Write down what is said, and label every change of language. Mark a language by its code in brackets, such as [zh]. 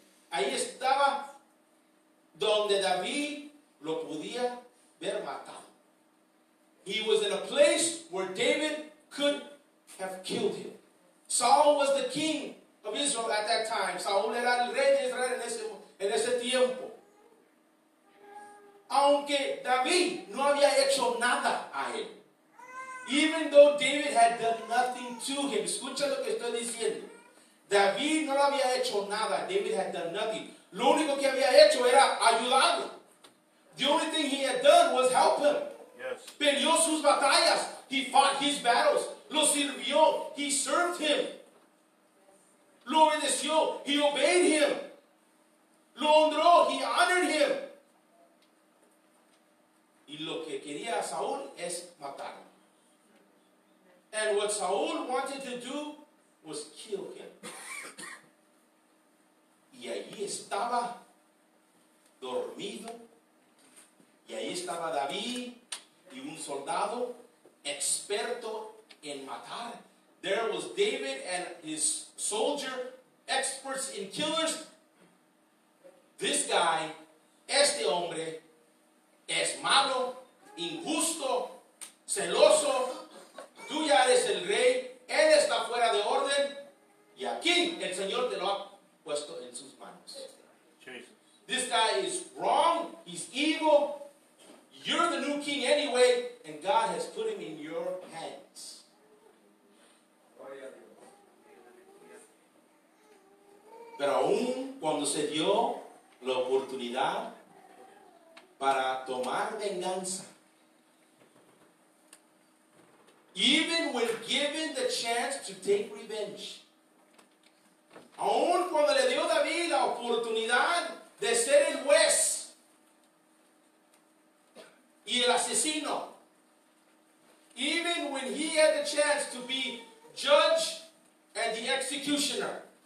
[es] Ahí estaba donde David lo podía ver matado. [en] He was in a place where David could have killed him. Saul was the king of Israel at that time. [es] Saul era el rey de Israel en ese tiempo. Aunque David no había hecho nada a él. [en] Even though David had done nothing to him. [es] Escucha lo que estoy diciendo. David no había hecho nada. [en] David had done nothing. [es] Lo único que había hecho era ayudarlo. [en] The only thing he had done was help him. Yes. [es] Peleó sus batallas. [en] He fought his battles. [es] Lo sirvió. [en] He served him. [es] Lo obedeció. [en] He obeyed him. [es] Lo honró. [en] He honored him. [es] Y lo que quería Saúl es matarlo. [en] And what Saul wanted to do was kill him. [es] Y allí estaba dormido. Y allí estaba David y un soldado experto en matar. [en] There was David and his soldier, experts in killers. This guy, [es] este hombre, es malo, injusto, celoso. Tú ya eres el rey, él está fuera de orden, y aquí el Señor te lo ha puesto en sus manos. [en] Jesus. This guy is wrong, he's evil, you're the new king anyway, and God has put him in your hands. [es] Pero aún cuando se dio la oportunidad para tomar venganza, [en] even when given the chance to take revenge, [es] aun cuando le dio David la oportunidad de ser el juez y el asesino, [en] even when he had the chance to be judge and the executioner,